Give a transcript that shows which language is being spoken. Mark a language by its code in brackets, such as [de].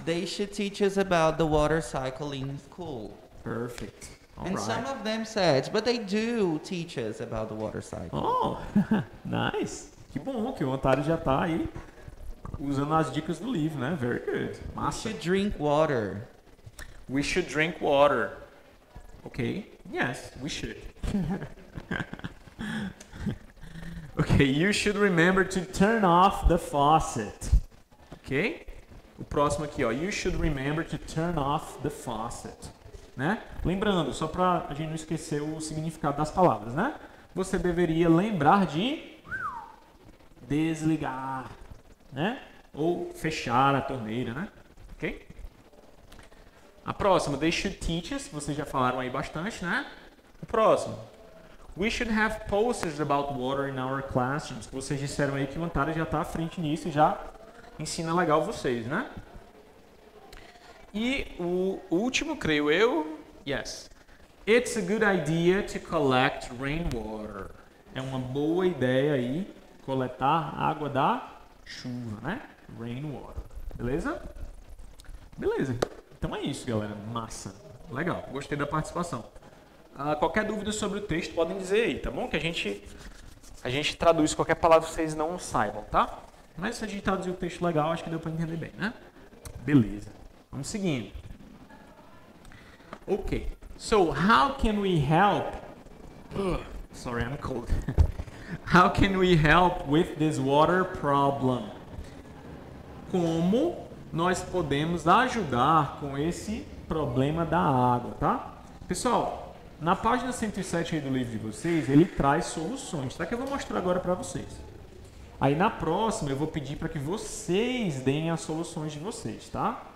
[en] They should teach us about the water cycle in school. Perfect. All and right. Some of them said, but they do teach us about the water cycle. Oh, nice. [pt] Que bom que o Antário já tá aí usando as dicas do livro, né? [en] Very good. Massa. We should drink water. We should drink water. Ok. Yes, we should. Ok, you should remember to turn off the faucet. Ok? [pt] O próximo aqui, ó. [en] You should remember to turn off the faucet. [pt] Né? Lembrando, só para a gente não esquecer o significado das palavras, né? Você deveria lembrar de desligar, né? Ou fechar a torneira, né? Ok? A próxima, [en] they should teach us. [pt] Vocês já falaram aí bastante, né? O próximo. [en] We should have posters about water in our classrooms. [pt] Vocês disseram aí que o Antara já está à frente nisso e já ensina legal vocês, né? E o último, creio eu. [en] Yes. It's a good idea to collect rainwater. [pt] É uma boa ideia aí coletar água da chuva, né? Rainwater. Beleza? Beleza. Então é isso, galera. Massa. Legal. Gostei da participação. Qualquer dúvida sobre o texto, podem dizer aí, tá bom? Que a gente traduz qualquer palavra que vocês não saibam, tá? Mas se a gente traduzir o texto legal, acho que deu para entender bem, né? Beleza. Vamos seguindo. Ok. [en] So, how can we help... Sorry, I'm cold. How can we help with this water problem? [pt] Como nós podemos ajudar com esse problema da água, tá? Pessoal... Na página 107 aí do livro de vocês, ele traz soluções, tá? Que eu vou mostrar agora para vocês. Aí na próxima eu vou pedir para que vocês deem as soluções de vocês, tá?